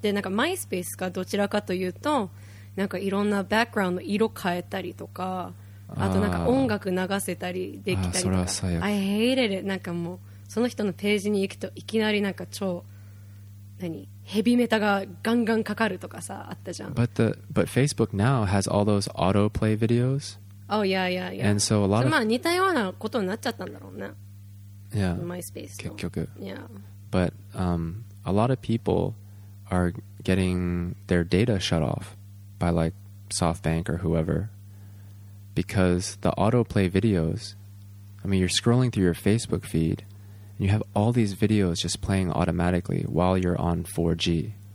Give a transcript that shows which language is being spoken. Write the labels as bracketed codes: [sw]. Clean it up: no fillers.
[ja] で、なんか MySpace がどちらかというと、なんかいろんなバックグラウンドの色変えたりとか、あとなんか音楽流せたりできたりとか。それは最悪。 [en] I hate it. [ja] なんかもうその人のページに行くといきなりなんか超何ヘビメタがガンガンかかるとかさあったじゃん。 [en] But Facebook now has all those autoplay videos. Oh, yeah, yeah, yeah. And so a lot of... [ja] まあ似たようなことになっちゃったんだろうね。 [en] Yeah. [ja] MySpace と。結局。 [en] Yeah. But a lot of people are getting their data shut off by like SoftBank or whoever because the autoplay videos, I mean, you're scrolling through your Facebook feed and you have all these videos just playing automatically while you're on 4G.